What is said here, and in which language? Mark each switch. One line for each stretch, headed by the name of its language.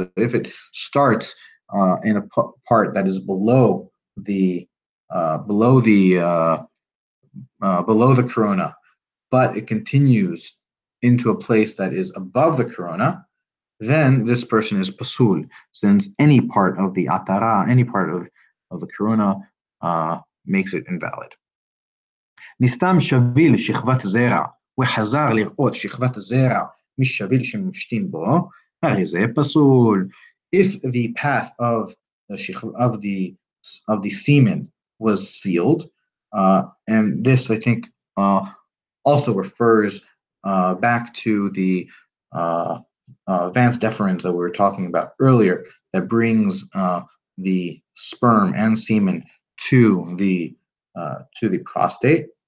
English: So if it starts in a part that is below the corona, but it continues into a place that is above the corona, then this person is pasul, since any part of the atara, any part of the corona, makes it invalid.
Hebrew: נסתם שביל שכבת זרע, וחזר לראות שכבת זרע משביל שמשתין בו, הרי זה פסול.
English: If the path of the semen was sealed, and this I think also refers back to the vans deferens that we were talking about earlier, that brings the sperm and semen to the prostate.